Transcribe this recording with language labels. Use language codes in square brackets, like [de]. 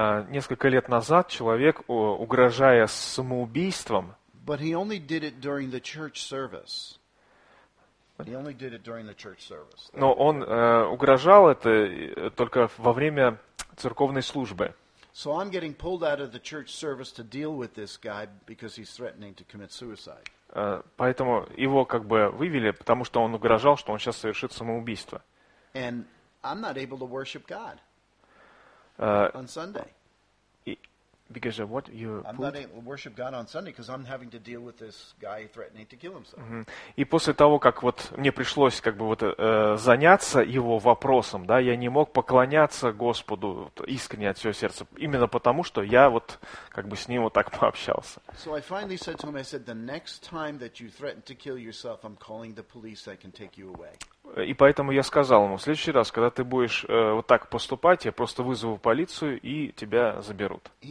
[ru] Несколько лет назад человек угрожая самоубийством. [en] But he only did it during the church service. He only did it during the church service. [ru] Но он угрожал это только во время церковной службы. [en] So I'm getting pulled out of the church service to deal with this guy because he's threatening to commit suicide. [ru] Поэтому его как бы вывели, потому что он угрожал, что он сейчас совершит самоубийство. [en] And I'm not able to worship God on Sunday. Because of what you put. I'm not able to worship God on Sunday because I'm having to deal with this guy threatening to kill himself. Mm-hmm. [ru] И после того, как вот мне пришлось как бы вот заняться его вопросом, да, я не мог поклоняться Господу вот, искренне от всего сердца, именно потому, что я вот как бы с ним вот так пообщался. [en] So I finally said to him, I said, the next time that you threaten to kill yourself, I'm calling the police, I can take you away. [ru] И поэтому я сказал ему, в следующий раз, когда ты будешь вот так поступать, я просто вызову полицию, и тебя заберут.